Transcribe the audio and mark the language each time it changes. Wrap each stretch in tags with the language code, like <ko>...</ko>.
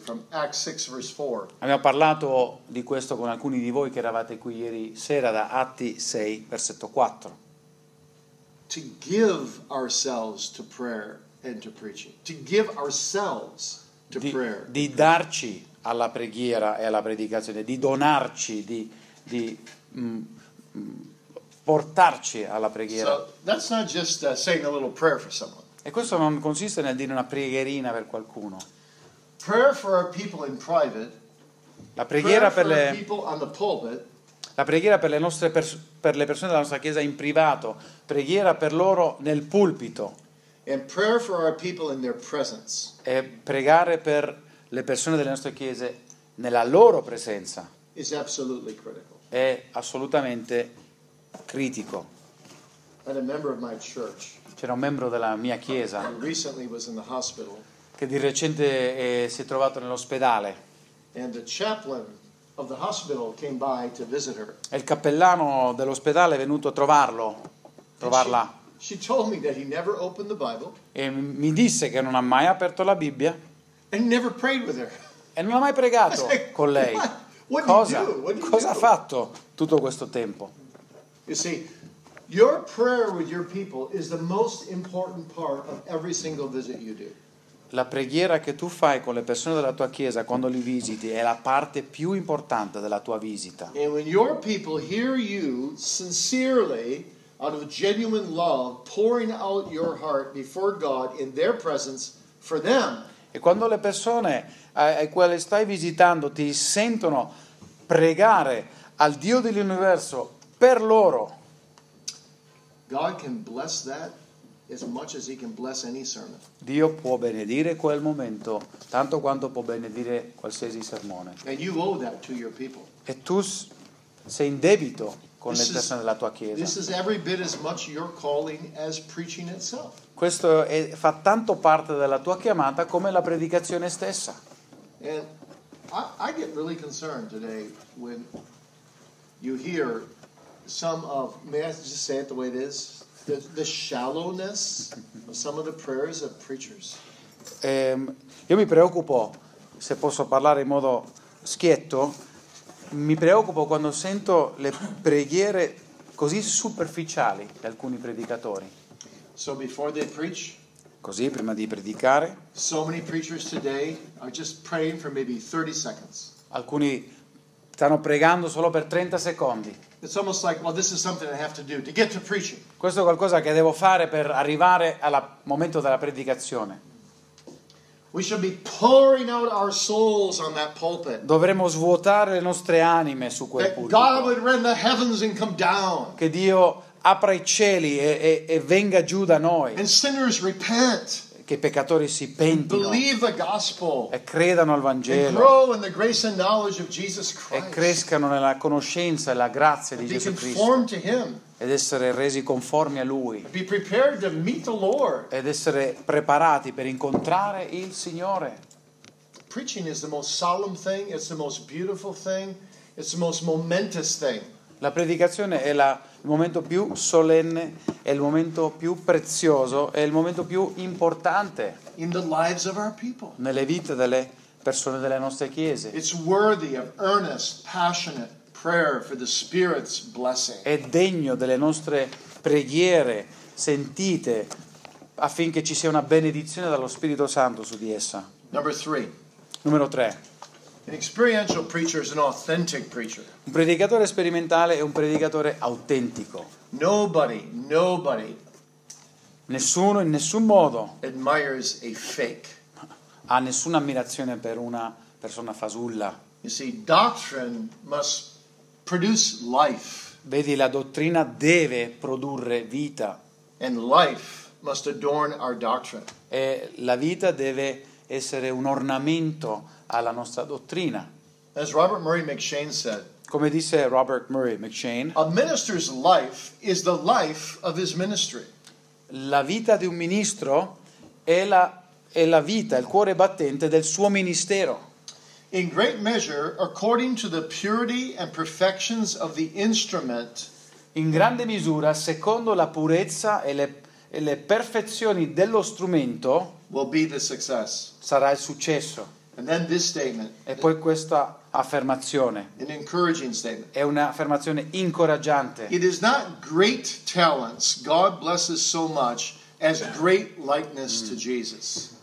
<it>Abbiamo parlato di questo con alcuni di voi che eravate qui ieri sera da Atti 6, versetto 4.</it> <en>To give ourselves to prayer and to preaching. To give ourselves to prayer.</en> <it>Di darci alla preghiera e alla predicazione, di donarci, di portarci alla preghiera.</it> <en>So, that's not just saying a little prayer for someone.</en> <it>E questo non consiste nel dire una pregherina per qualcuno.</it> <en>Prayer for our people in private.</en> <it>La preghiera</it> <en>prayer</en> <it>per le</it> <en>people on the pulpit.</en> <it>La preghiera per le nostre per le persone della nostra chiesa in privato, preghiera per loro nel pulpito.</it> <en>And prayer for our people in their presence.</en> <it>E pregare per le persone delle nostre chiese nella loro presenza.</it> <en>Is absolutely critical.</en> <it>È assolutamente critico.</it> <en>And a member of my church.</en> <it>C'era un membro della mia chiesa</it> <en>recently was in the hospital,</en> <it>che di recente si è trovato nell'ospedale.</it> <en>And the chaplain of the hospital came by to visit her.</en> <it>E il cappellano dell'ospedale è venuto a trovarlo, trovarla.</it> <en>She told me that he never opened the Bible.</en> <it>E mi disse che non ha mai aperto la Bibbia.</it> <en>And never prayed with her.</en> <it>E non ha mai pregato con lei.</it> <en>What?</en> <it>Cosa ha fatto tutto questo tempo?</it> <en>You see, your prayer with your people is the most important part of every single visit you do.</en> <it>La preghiera che tu fai con le persone della tua chiesa quando li visiti è la parte più importante della tua visita.</it> <en>And when your people hear you sincerely, out of genuine love, pouring out your heart before God in their presence for them.</en> <it>E quando le persone ai quali stai visitando ti sentono pregare al Dio dell'universo per loro.</it> <en>God can bless that as much as he can bless any sermon.</en> <it>Dio può benedire quel momento tanto quanto può benedire qualsiasi sermone.</it> <en>And you owe that to your people.</en> <it>E tu sei in debito con le persone della tua chiesa.</it> <en>This is every bit as much your calling as preaching itself.</en> <it>Questo è, fa tanto parte della tua chiamata come la predicazione stessa.</it> <en>And I get really concerned today when you hear some of, may I just say it the way it is, the shallowness of some of the prayers of preachers.</en> <it>Io mi preoccupo, se posso parlare in modo schietto, mi preoccupo quando sento le preghiere così superficiali di alcuni predicatori.</it> <en>So before they preach,</en> <it>così prima di predicare,</it> <en>so many preachers today are just praying for maybe 30 seconds.</en> <it>Alcuni stanno pregando solo per 30 secondi.</it> <en>It's almost like, well, this is something I have to do to get to preaching.</en> <it>Questo è qualcosa che devo fare per arrivare al momento della predicazione.</it> <en>We should be pouring out our souls on that pulpit.</en> <it>Dovremmo svuotare le nostre anime su quel pulpito.</it> <en>God would rend the heavens and come down.</en> <it>Che Dio apra i cieli e venga giù da noi.</it> <en>And sinners repent.</en> <it>Che i peccatori si pentino.</it> <en>Believe the gospel.</en> <it>E credano al Vangelo.</it> <en>And grow in the grace and knowledge of Jesus Christ.</en> <it>E crescano nella conoscenza e la grazia di Gesù Cristo.</it> <en>Be conformed to Him.</en> <it>Ed essere resi conformi a Lui.</it> <en>Be prepared to meet the Lord.</en> <it>Ed essere preparati per incontrare il Signore.</it> <en>Preaching is the most solemn thing. It's the most beautiful thing. It's the most momentous thing.</en> <it>La predicazione è il momento più solenne, è il momento più prezioso, è il momento più importante</it> <en>in the lives of our people.</en> <it>Nelle vite delle persone delle nostre chiese.</it> <en>It's worthy of earnest, passionate prayer for the Spirit's blessing.</en> <it>È degno delle nostre preghiere sentite affinché ci sia una benedizione dallo Spirito Santo su di essa.</it> <en>Number three.</en> <it>Numero tre.</it> <en>An experiential preacher is an authentic preacher.</en> <it>Un predicatore sperimentale è un predicatore autentico.</it> <en>Nobody.</en> <it>Nessuno in nessun modo</it> <en>admires a fake.</en> <it>Ha nessuna ammirazione per una persona fasulla.</it> <en>You see, doctrine must produce life.</en> <it>Vedi, la dottrina deve produrre vita.</it> <en>And life must adorn our doctrine.</en> <it>E la vita deve essere un ornamento alla nostra dottrina.</it> <en>As Robert Murray McShane said,</en> <it>come disse Robert Murray McShane,</it> <en>a minister's life is the life of his ministry.</en> <it>La vita di un ministro è la vita, il cuore battente del suo ministero.</it> <en>In great measure, according to the purity and perfections of the instrument,</en> <it>in grande misura, secondo la purezza e le perfezioni dello strumento,</it> <en>will be the success.</en> <it>Sarà il successo.</it> <en>And then this statement,</en> <it>e poi questa affermazione,</it> <en>an encouraging statement,</en> <it>è un'affermazione incoraggiante.</it> <en>It is not great talents God blesses so much as great likeness to Jesus.</en>